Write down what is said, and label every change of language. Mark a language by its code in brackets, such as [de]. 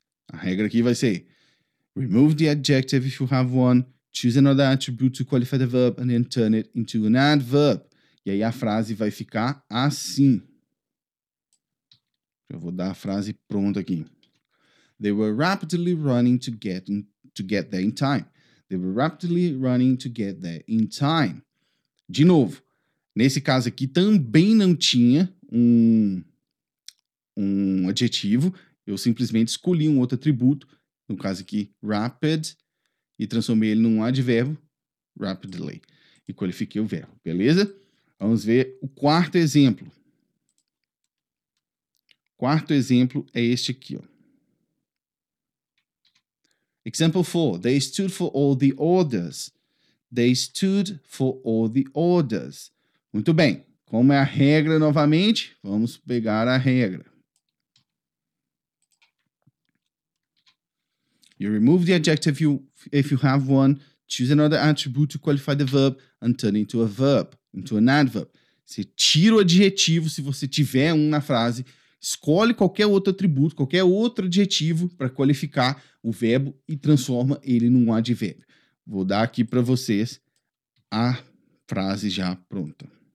[pt] A regra aqui vai ser [en] remove the adjective if you have one, choose another attribute to qualify the verb and then turn it into an adverb. [pt] E aí a frase vai ficar assim. Eu vou dar a frase pronta aqui. [en] They were rapidly running to get there in time. They were rapidly running to get there in time. [pt] De novo, nesse caso aqui também não tinha um adjetivo. Eu simplesmente escolhi um outro atributo, no caso aqui, rapid, e transformei ele num advérbio, rapidly, e qualifiquei o verbo, beleza? Vamos ver o quarto exemplo. Quarto exemplo é este aqui, ó. [en] Example 4. They stood for all the orders. They stood for all the orders. [pt] Muito bem. Como é a regra novamente? Vamos pegar a regra. [en] You remove the adjective if you have one. Choose another attribute to qualify the verb and turn into a verb, into an adverb. [pt] Você tira o adjetivo se você tiver um na frase. Escolhe qualquer outro atributo, qualquer outro adjetivo para qualificar o verbo e transforma ele num advérbio. Vou dar aqui para vocês a frase já pronta.